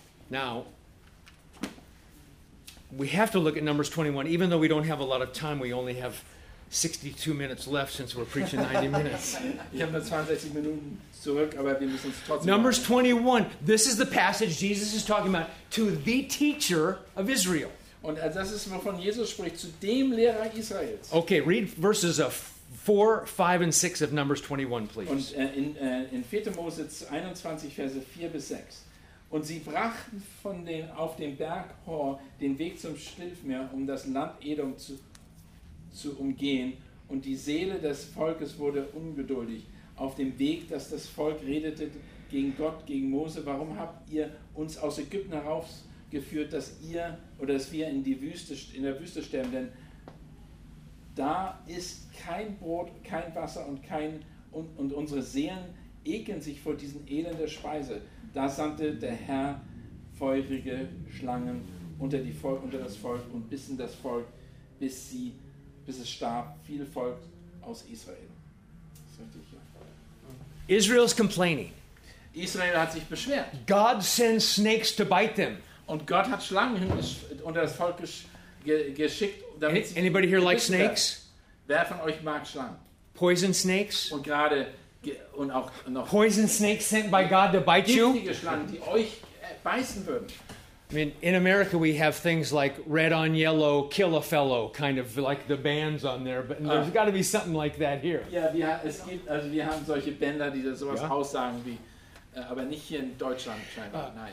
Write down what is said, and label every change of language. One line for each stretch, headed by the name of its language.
English: Now, we have to look at Numbers 21, even though we don't have a lot of time. We only have 62 minutes left since we're preaching 90 minutes.
German: Wir haben nur 62 Minuten zurück, aber wir müssen es trotzdem.
English: Numbers 21, this is the passage Jesus is talking about to the teacher of Israel.
German: Und das ist, wovon Jesus spricht, zu dem Lehrer Israels.
English: Okay, read verses 4, 5 and 6 of Numbers 21, please.
German: Und in 4. Mose 21, Verse 4 bis 6. Und sie brachten auf dem Berg Hor den Weg zum Schilfmeer, um das Land Edom zu umgehen. Und die Seele des Volkes wurde ungeduldig auf dem Weg, dass das Volk redete gegen Gott, gegen Mose. Warum habt ihr uns aus Ägypten heraufgeführt, dass wir in der Wüste sterben? Denn da ist kein Brot, kein Wasser und unsere Seelen ekeln sich vor diesen elenden Speise. Da sandte der Herr feurige Schlangen unter das Volk und bissen das Volk, bis es starb. Viel Volk aus Israel.
English: Israel is complaining.
German: Israel hat sich beschwert.
English: God sends snakes to bite them.
German: Und Gott hat Schlangen unter das Volk geschickt, damit sie.
English: Anybody here like snakes?
German: Wer von euch mag Schlangen?
English: Poison snakes?
German: Und gerade. Und auch noch
English: poison snakes sent by God to bite you.
German: Giftige Schlangen, die euch beißen würden.
English: I mean, in America we have things like red on yellow, kill a fellow, kind of like the bands on there. But there's got to be something like that here.
German: Ja, wir haben solche Bänder, die da sowas aussagen wie, aber nicht hier in Deutschland scheinbar.